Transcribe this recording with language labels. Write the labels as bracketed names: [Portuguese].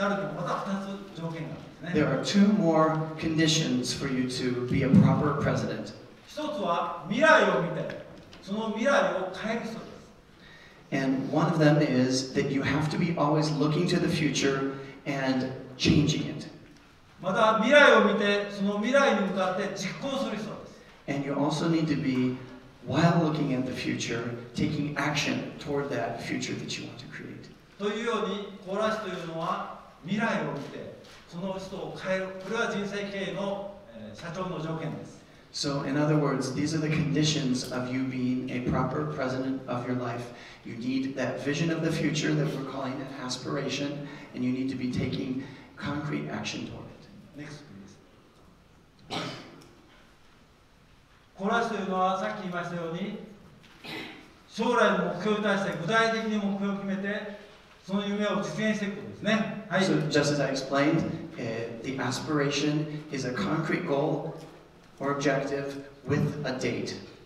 [Japanese] 社長になるにはまた2つ条件があるんですね。 [English] There are two more conditions for you to be a proper president. [Japanese] 一つは未来を見て、その未来を変える人です。 [English] And one of them is that you have to be always looking to the future and changing it. [Japanese] また未来を見て、その未来に向かって実行する人。 [English] And you also need to be, while looking at the future, taking action toward that future that you want to create. So in other words, these are the conditions of you being a proper president of your life. You need that vision of the future that we're calling an aspiration, and you need to be taking concrete action toward it. Next, please. [Japanese] 志というのはさっき言いましたように将来の目標に対して具体的に目標を決めてその夢を実現していくことですね。 [English] はい。So just as I explained, the aspiration is a concrete goal or objective with a date.